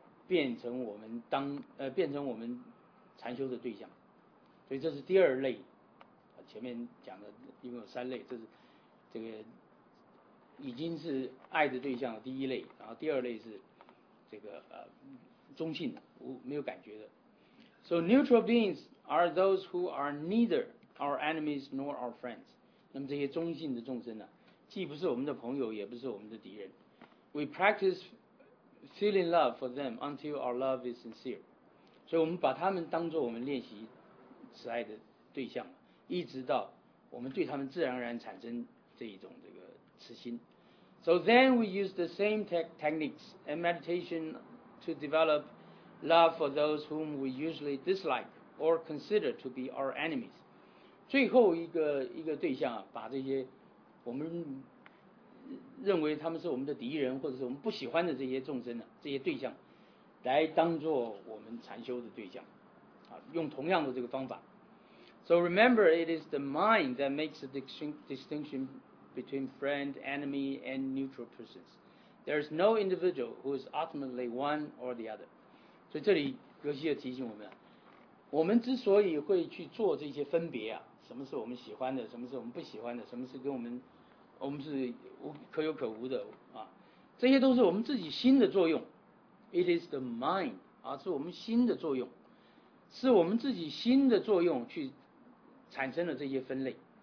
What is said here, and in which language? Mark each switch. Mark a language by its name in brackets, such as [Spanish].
[Chinese] 变成我们禅修的对象。所以这是第二类，前面讲的一共有三类，这是这个已经是爱的对象的第一类，然后第二类是这个中性的，没有感觉的。 [English] So neutral beings are those who are neither our enemies nor our friends. [Chinese] 那么这些中性的众生呢，既不是我们的朋友，也不是我们的敌人。 [English] We practice feeling love for them until our love is sincere. [Chinese] 所以我们把他们当作我们练习慈爱的对象，一直到我们对他们自然而然产生这一种这个慈心。 [English] So then we use the same techniques and meditation to develop love for those whom we usually dislike or consider to be our enemies. [Chinese] 最后一个对象啊，把这些我们认为他们是我们的敌人或者是我们不喜欢的这些众生呢，这些对象来当作我们禅修的对象啊，用同样的这个方法。 [English] So remember, it is the mind that makes a distinction between friend, enemy, and neutral persons. There is no individual who is ultimately one or the other. [Chinese] 所以这里格西尔提醒我们，我们之所以会去做这些分别啊，什么是我们喜欢的，什么是我们不喜欢的，什么是跟我们是可有可无的啊，这些都是我们自己心的作用。 [English] It is the mind [Chinese] 啊，是我们心的作用，是我们自己心的作用去产生了这些分类。